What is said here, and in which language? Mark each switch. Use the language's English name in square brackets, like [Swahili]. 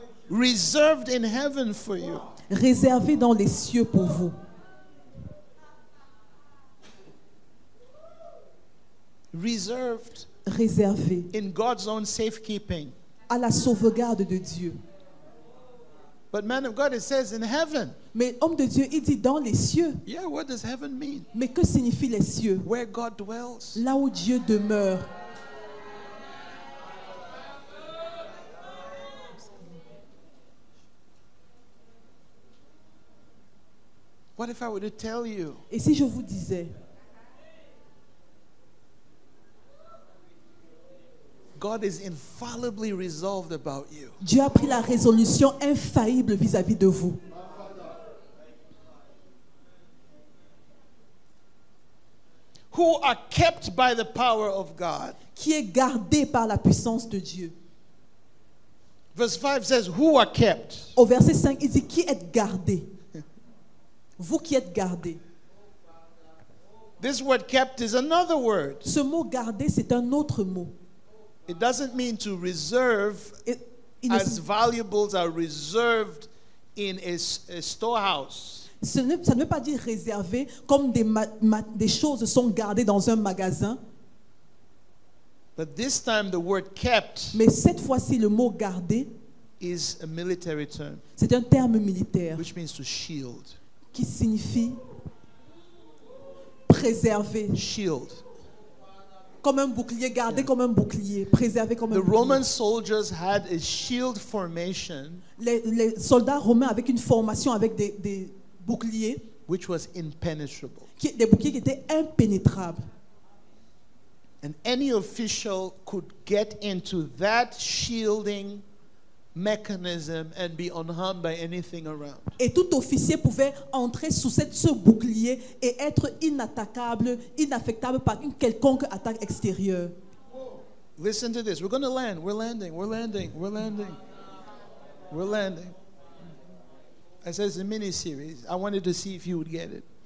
[English] Reserved in heaven for you. [French] Réservé dans les cieux pour vous. [English] Reserved, [French] réservé, [English] in God's own safekeeping, [French] à la sauvegarde de Dieu. [English] But man of God, it says in heaven. [French] Mais homme de Dieu, il dit dans les cieux. [English] Yeah, what does heaven mean? [French] Mais que signifient les cieux? [English] Where God dwells. [French] Là où Dieu demeure. [English] What if I were to tell you? [French] Et si je vous disais? [English] God is infallibly resolved about you. [French] Dieu a pris la résolution infaillible vis-à-vis de vous. [English] Who are kept by the power of God? [French] Qui est gardé par la puissance de Dieu? [English] Verse 5 says, "Who are kept?" [French] Au verset 5, il dit qui est gardé? Vous qui êtes gardé. [English] This word kept is another word. [French] Ce mot gardé, c'est un autre mot. [English] It doesn't mean to reserve as valuables are reserved in a storehouse. [French] Ça ne veut pas dire réservé comme des choses sont gardées dans un magasin. [English] But this time the word kept. [French] Mais cette fois-ci le mot gardé [English] is a military term. [French] C'est un terme militaire. [English] Which means to shield. [French] Qui signifie préserver. [English] Shield. [French] Comme un bouclier, gardé comme un bouclier, préservé comme [English] the [French] un bouclier. [English] The Roman soldiers had a shield formation. [French] Les soldats romains avaient une formation avec des boucliers. [English] Which was impenetrable. [French] Des boucliers qui étaient impénétrables. [English] And any official could get into that shielding mechanism and be unharmed by anything around. [French] Et tout officier pouvait entrer sous ce bouclier et être inattaquable, inaffectable par une quelconque attaque extérieure. [English] Listen to this. We're going to land. We're landing. We're landing. We're landing. We're landing. I said it's a mini series. I wanted to see if you would get it.